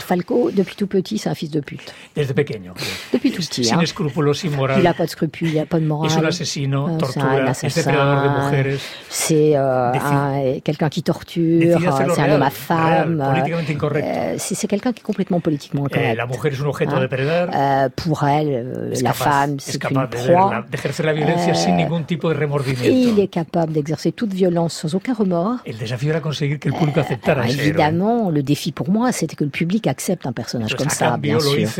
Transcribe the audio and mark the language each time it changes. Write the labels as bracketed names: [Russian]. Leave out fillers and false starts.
[French] Falco, depuis tout petit, c'est un fils de pute. [Spanish] Desde pequeño. [French] Depuis tout petit. [Spanish] Sin escrúpulos, sin moral. [French] Il a pas de scrupules, il a pas de morale. [Spanish] Es un asesino, tortura, es depredador de mujeres. [French] C'est quelqu'un qui torture, c'est un homme à femme. [Spanish] Politiquement incorrecto. [French] C'est quelqu'un qui est complètement politiquement incorrect. [Spanish] La mujer es un objeto de predar. [French] Pour elle, la femme, c'est une proie. [Spanish] Es capaz de ejercer la violencia sin ningún tipo de remordimiento. [French] Il est capable d'exercer toute violence sans aucun remords. [Spanish] El desafío era conseguir que el público acepte. Alors, [French] évidemment, le défi pour moi, c'était que le public accepte un personnage comme ça, bien sûr.